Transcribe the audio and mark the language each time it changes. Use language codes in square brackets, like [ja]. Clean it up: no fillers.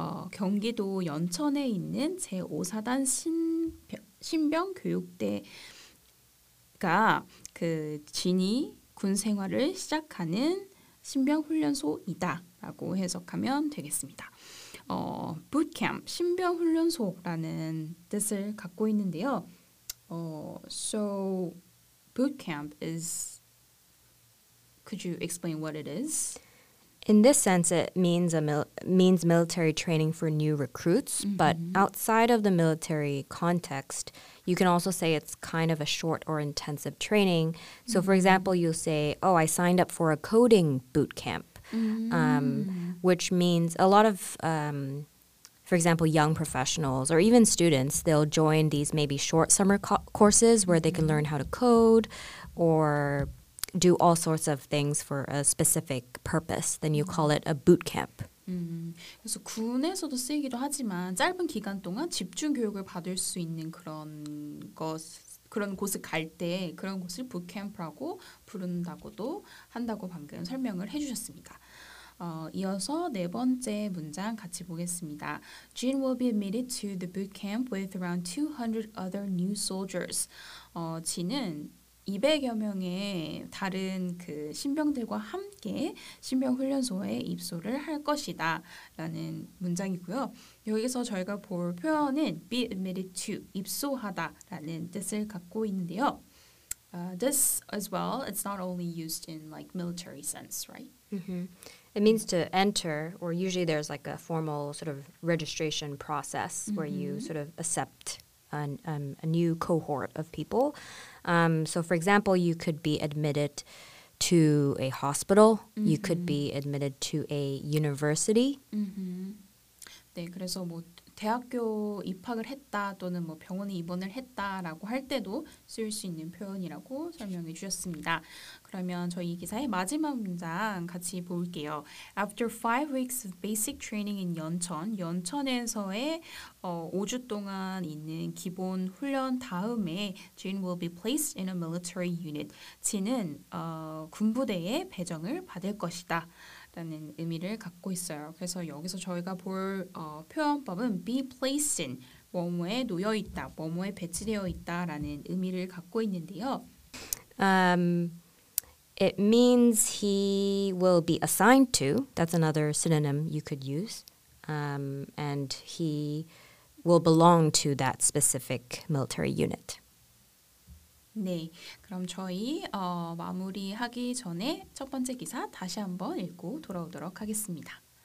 [ko] 경기도 연천에 있는 제5사단 신병 교육대가 그 진이 군 생활을 시작하는 신병 훈련소이다라고 해석하면 되겠습니다. 부트캠 신병 훈련소라는 뜻을 갖고 있는데요. [en] So bootcamp is could you explain what it is? In this sense, it means means military training for new recruits. Mm-hmm. But outside of the military context, you can also say it's kind of a short or intensive training. Mm-hmm. So, for example, you'll say, "Oh, I signed up for a coding boot camp," mm-hmm. Which means a lot of, for example, young professionals or even students, they'll join these maybe short summer courses where they can learn how to code or do all sorts of things for a specific purpose, then you call it a boot camp. [ko] 그래서 군에서도 쓰이기도 하지만 짧은 기간 동안 집중 교육을 받을 수 있는 그런 곳을 갈 때 그런 곳을 boot camp라고 부른다고도 한다고 방금 설명을 해주셨습니다. 이어서 네 번째 문장 같이 보겠습니다. [en] Jin will be admitted to the boot camp with around 200 other new soldiers. [ko] 진은 200여 명의 다른 그 신병들과 함께 신병 훈련소에 입소를 할 것이다 라는 문장이고요. 여기서 저희가 볼 표현은 be admitted to, 입소하다 라는 뜻을 갖고 있는데요. [en] This as well, it's not only used in like military sense, right? Mm-hmm. It means to enter, or usually there's like a formal sort of registration process mm-hmm. where you sort of accept a new cohort of people. So for example, you could be admitted to a hospital. Mm-hmm. You could be admitted to a university. Mm-hmm. [ko] 네, 그래서 뭐 대학교 입학을 했다 또는 뭐 병원에 입원을 했다라고 할 때도 쓸 수 있는 표현이라고 설명해 주셨습니다. 그러면 저희 기사의 마지막 문장 같이 볼게요. [en] After 5 weeks of basic training in 연천, [ko] 연천에서의 5주 동안 있는 기본 훈련 다음에 [en] Jin will be placed in a military unit. [ko] 진은 군부대에 배정을 받을 것이다. 라는 의미를 갖고 있어요. 그래서 여기서 저희가 볼 표현법은 be placed in, 뭐뭐에 놓여 있다, 뭐뭐에 배치되어 있다라는 의미를 갖고 있는데요. [en] It means he will be assigned to. That's another synonym you could use. And he will belong to that specific military unit. [ko] 네, 그럼 저희 마무리하기 전에 첫 번째 기사 다시 한번 읽고 돌아오도록 하겠습니다.